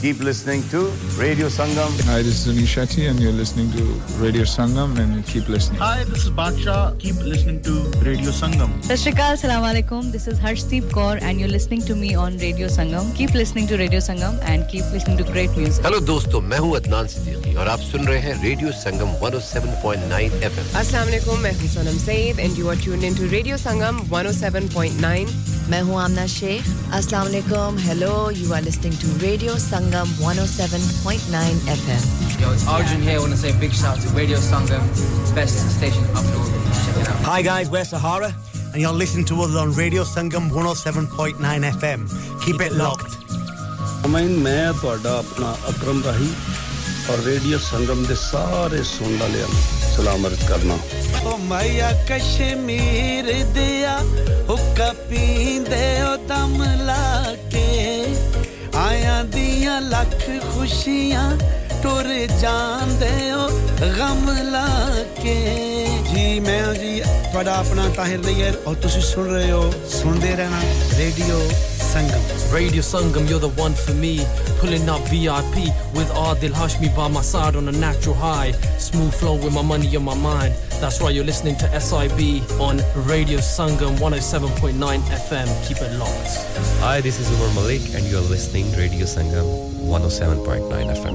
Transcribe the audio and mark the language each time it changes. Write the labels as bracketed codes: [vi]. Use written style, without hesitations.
[en] Keep listening to Radio Sangam. Hi, this is Anish Shetty and you're listening to Radio Sangam and keep listening. Hi, this is Baksha. Keep listening to Radio Sangam. [pa] Sashrikal, Salaam Alaikum. [en] This is Harshdeep Kaur and you're listening to me on Radio Sangam. Keep listening to Radio Sangam and keep listening to great music. Hello, dosto. [ur] تو میں ہوں عدنان صدیقی اور آپ سن رہے ہیں radio سنگم 107.9 FM [en] السلام علیکم [ur] میں ہوں [en] Sonam Saeed and you are tuned in to radio Sangam 107.9 میں ہوں آمنہ شیخ السلام علیکم hello you are listening to radio Sangam 107.9 FM Arjun here want to say big shout to radio Sangam best station up north hi guys we're Sahara and you are listening to us on radio Sangam 107.9 FM keep it locked [pa] میں تھوڑا اپنا اکرم راہی اور radio سنگم دے سارے سن لے سلام عرض کرنا او مایا کشمیر دیا حکا پیندے او دم لا کے آیا دیاں لکھ خوشیاں ٹر جان دے او غم لا کے جی میں جی تھوڑا اپنا طاہر لیئر اور تسی سن رہے ہو سنتے رہنا radio [en] Radio Sangam, you're the one for me. Pulling up VIP with Adil Hashmi by my side on a natural high. Smooth flow with my money on my mind. That's why you're listening to SIB on Radio Sangam 107.9 FM. Keep it locked. Hi, this is Umar Malik and you're listening to Radio Sangam 107.9 FM.